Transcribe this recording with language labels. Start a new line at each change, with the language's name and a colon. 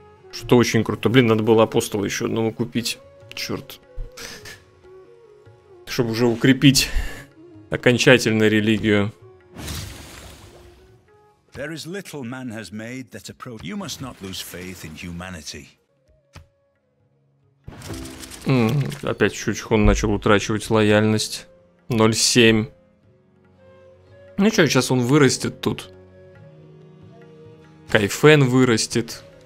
Russian: Что очень круто. Блин, надо было апостола еще одного купить. Черт. Чтобы уже укрепить окончательно религию.
English: There is little man has made that approach. You must not lose faith in humanity.
Russian: Опять чуть-чуть он начал утрачивать лояльность. 0,7. Ну что, сейчас он вырастет тут. Кайфен вырастет.